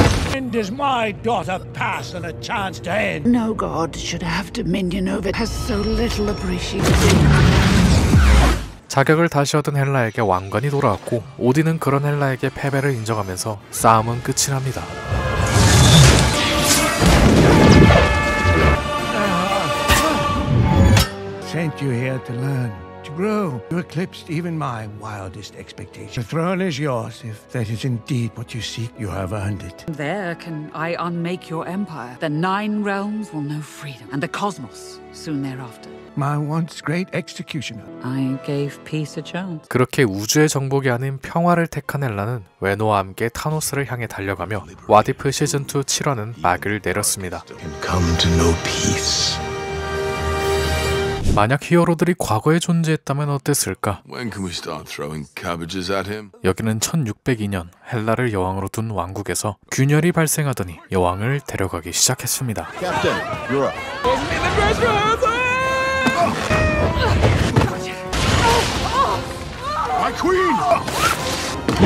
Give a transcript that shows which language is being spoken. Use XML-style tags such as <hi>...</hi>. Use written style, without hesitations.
<en>When does my daughter pass on a chance to end? No god should have dominion over has so little appreciation.</en> <ko>자격을 다시 얻은 헬라에게 왕관이 돌아왔고 오딘은 그런 헬라에게 패배를 인정하면서 싸움은 끝이 납니다.</ko> <en>Sent you here to learn to grow. You eclipsed even my wildest expectations. The throne is yours. If that is indeed what you seek, you have earned it. There can I unmake your empire. The nine realms will know freedom, and the cosmos soon thereafter. My once great executioner. I gave peace a chance.</en> <ko>그렇게 우주의 정복이 아닌 평화를 택한 엘라는 웨노와 함께 타노스를 향해 달려가며 What If 시즌2 7화는 막을 내렸습니다.</ko> <en>And come to know peace.</en> <ko>만약 히어로들이 과거에 존재했다면 어땠을까?</ko> <en>When can we start throwing cabbages at him?</en> <ko>여기는 1602년 헬라를 여왕으로 둔 왕국에서 균열이 발생하더니 여왕을 데려가기 시작했습니다.</ko> <en>Captain, you're up. My queen!</en>